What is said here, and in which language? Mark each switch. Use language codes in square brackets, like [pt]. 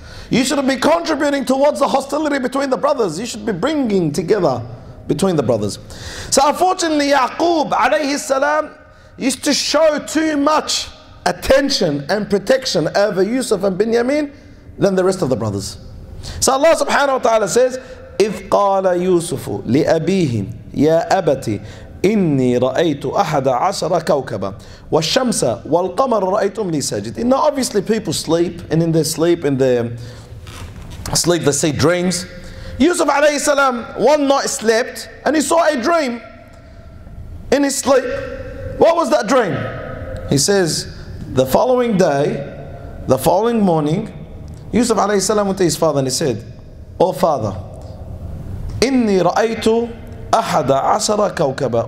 [en] You shouldn't be contributing towards the hostility between the brothers. You should be bringing together between the brothers. So unfortunately, Yaqub alayhi salam used to show too much attention and protection over Yusuf and Binyamin than the rest of the brothers. So Allah subhanahu wa ta'ala says, [ar] إِذْ قَالَ يُوسُفُ لِأَبِيهِ يَا أَبَتِي إِنِّي رَأَيْتُ أَحَدَ عَشَرَ كَوْكَبًا وَالشَّمْسَ وَالْقَمَرَ رَأَيْتُمْ لِي سَاجِدٍ. [en] Now obviously people sleep, and in their sleep, they see dreams. Yusuf alayhi salam one night slept and he saw a dream in his sleep. What was that dream? He says, the following day, the following morning, Yusuf alayhi salam went to his father and he said, oh father, [ar] إِنِّي رَأَيْتُ أَحَدَ عَشَرَ كَوْكَبًا.